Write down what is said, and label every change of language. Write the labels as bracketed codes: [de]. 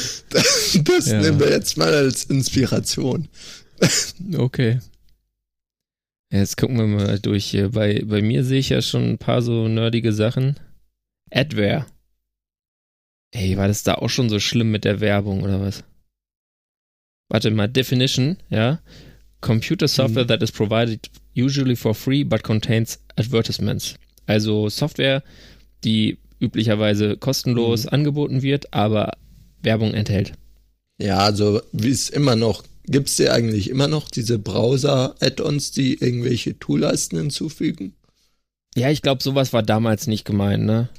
[de] Das nehmen wir jetzt mal als Inspiration. Okay. Jetzt gucken wir mal durch. Bei mir sehe ich ja schon ein paar so nerdige Sachen. Adware. Ey, war das da auch schon so schlimm mit der Werbung oder was? Warte mal, Definition, ja? [en] Computer Software that is provided usually for free but contains advertisements. [de] Also Software, die üblicherweise kostenlos angeboten wird, aber Werbung enthält. Ja, also wie es immer noch, gibt es ja eigentlich immer noch diese Browser-Add-ons, die irgendwelche Tool-Leisten hinzufügen? Ja, ich glaube, sowas war damals nicht gemeint, ne?